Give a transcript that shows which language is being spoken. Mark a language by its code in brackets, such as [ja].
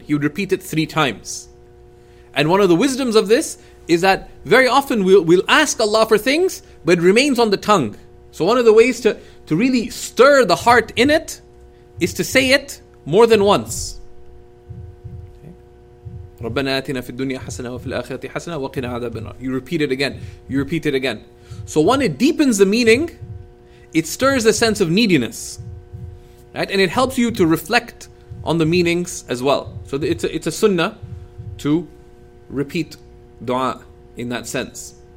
[en] He would repeat it three times. And one of the wisdoms of this is that very often we'll ask Allah for things, but it remains on the tongue. So one of the ways to really stir the heart in it is to say it more than once. [ar] ربنا آتنا في الدنيا حسنة وفي الآخرة حسنة وقنا عذاب النار. [en] You repeat it again. You repeat it again. So one, it deepens the meaning, it stirs the sense of neediness. Right? And it helps you to reflect on the meanings as well. So it's a sunnah to repeat dua in that sense.